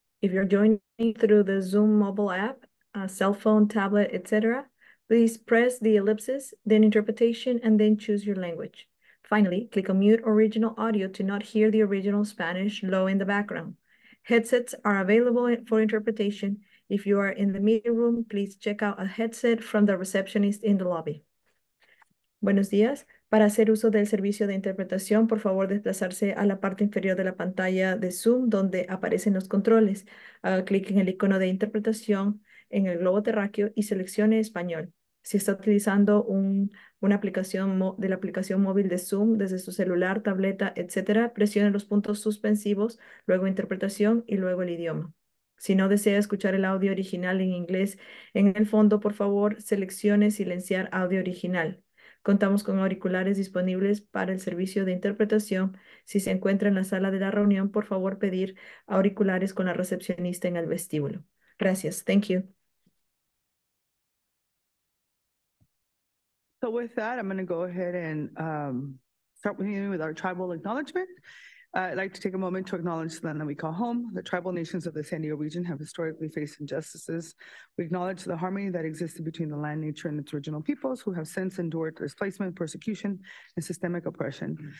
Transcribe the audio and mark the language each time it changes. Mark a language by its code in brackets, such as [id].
[en] If you're joining through the Zoom mobile app, a cell phone, tablet, etc., please press the ellipsis, then interpretation, and then choose your language. Finally, click on mute original audio to not hear the original Spanish low in the background. Headsets are available for interpretation. If you are in the meeting room, please check out a headset from the receptionist in the lobby. [es] Buenos días. Para hacer uso del servicio de interpretación, por favor, desplazarse a la parte inferior de la pantalla de Zoom donde aparecen los controles. Haga clic en el icono de interpretación en el globo terráqueo y seleccione español. Si está utilizando una aplicación móvil de Zoom desde su celular, tableta, etc., presione los puntos suspensivos, luego interpretación y luego el idioma. Si no desea escuchar el audio original en inglés, en el fondo, por favor, seleccione silenciar audio original. Contamos con auriculares disponibles para el servicio de interpretación. Si se encuentra en la sala de la reunión, por favor, pedir auriculares con la recepcionista en el vestíbulo. Gracias. [en] Thank you. So with that, I'm going to go ahead and start with our tribal acknowledgement. I'd like to take a moment to acknowledge the land that we call home. The tribal nations of the San Diego region have historically faced injustices. We acknowledge the harmony that existed between the land, nature, and its original peoples, who have since endured displacement, persecution, and systemic oppression.